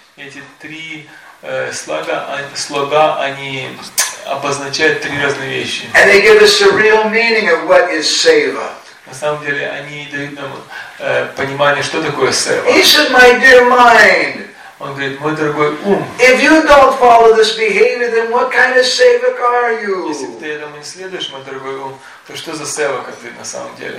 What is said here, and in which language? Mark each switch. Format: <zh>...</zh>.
<ru>Эти три слога, они обозначают три разные вещи.</ru> <en>And they give us a real meaning of what is seva.</en> <ru>На самом деле, они дают нам понимание, что такое сева.</ru> <en>He said, my dear mind.</en> <ru>Он говорит, мой дорогой ум.</ru> <en>If you don't follow this behavior, then what kind of sevak are you?</en> <ru>Если ты этому не следуешь, мой дорогой ум, то что за севак ты на самом деле?</ru>